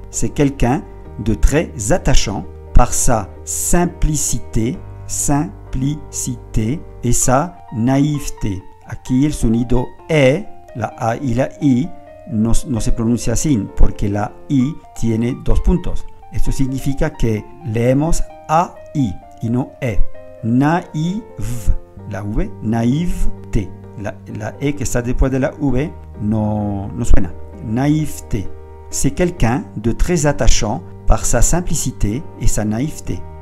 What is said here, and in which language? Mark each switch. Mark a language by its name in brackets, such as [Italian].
[French] C'est quelqu'un de très attachant par sa simplicité. Simplicité et sa naïveté. [Spanish] Aquí el sonido E, la A y la I no se pronuncia así porque la I tiene dos puntos. Esto significa que leemos A, I y no E. Naïve, la V, naïveté. La E que está después de la V no suena. [French] Naïveté. C'est quelqu'un de très attachant par sa simplicité et sa naïveté.